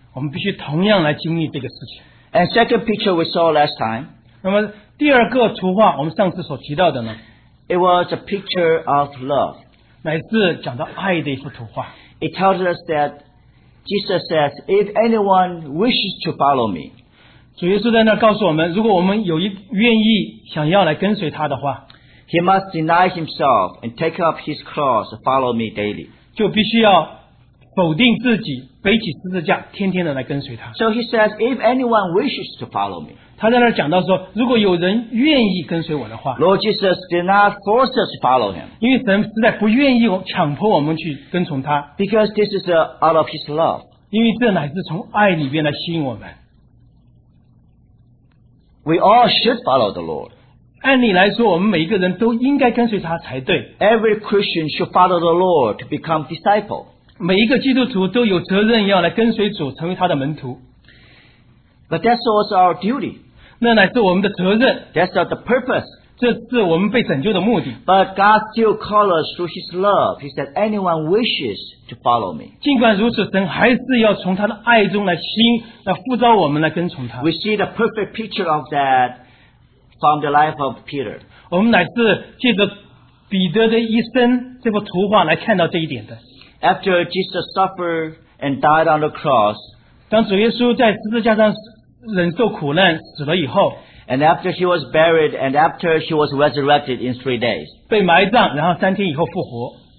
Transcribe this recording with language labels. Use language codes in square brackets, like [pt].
[zh] 我们必须同样来经历这个事情。 [en] And second picture we saw last time. [zh] 那么第二个图画我们上次所提到的呢。 [en] It was a picture of love. [zh] 乃是讲到爱的一幅图画。 [en] It tells us that Jesus says, if anyone wishes to follow me, [zh] 主耶稣在那告诉我们，如果我们有一愿意想要来跟随他的话， [en] he must deny himself and take up his cross, follow me daily. [zh] 就必须要否定自己，背起十字架，天天的来跟随他。 [en] So he says, if anyone wishes to follow me, [zh] 他在那讲到说，如果有人愿意跟随我的话， [en] Lord Jesus did not force us to follow him. [zh] 因为神实在不愿意强迫我们去跟从他。 [en] Because this is out of his love. [zh] 因为这乃是从爱里面来吸引我们。 [en] We all should follow the Lord. [zh] 按理来说，我们每一个人都应该跟随他才对。 [en] Every Christian should follow the Lord to become disciple. [zh] 每一个基督徒都有责任要来跟随主成为他的门徒。 [en] But that's also our duty. [zh] 那乃是我们的责任。 [en] That's not the purpose. [zh] 这是我们被拯救的目的。 [en] But God still calls us through his love. He said, anyone wishes to follow me. [zh] 尽管如此神还是要从他的爱中来吸引来呼召我们来跟从他。 [en] We see the perfect picture of that from the life of Peter. [zh] 我们乃是借着彼得的一生这幅图画来看到这一点的。 [en] After Jesus suffered and died on the cross, [zh] 当主耶稣在十字架上忍受苦难死了以后 [en] And after she was buried, and after she was resurrected in 3 days. [zh] 被埋葬, 然后3天以后复活。